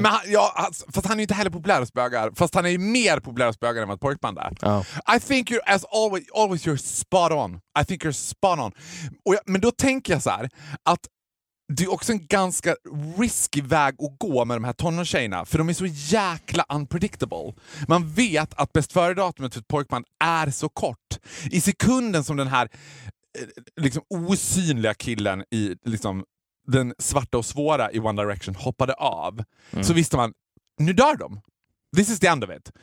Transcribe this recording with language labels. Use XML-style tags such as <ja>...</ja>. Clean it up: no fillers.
<sv>Nej, men fast han är ju inte heller populär hos bögar. Fast han är ju mer populär hos bögar än vad pojkband är. Oh.</sv> <en>I think you're, as always, you're spot on. I think you're spot on.</en> <sv>Men då tänker jag så här, att det är också en ganska risky väg att gå med de här tonårstjejerna. För de är så jäkla unpredictable. Man vet att bäst före datumet för ett pojkband är så kort. I sekunden som den här liksom osynliga killen i liksom den svarta och svåra i One Direction hoppade av, så visste man, nu dör de.</sv> <en>This is the end of it.</en>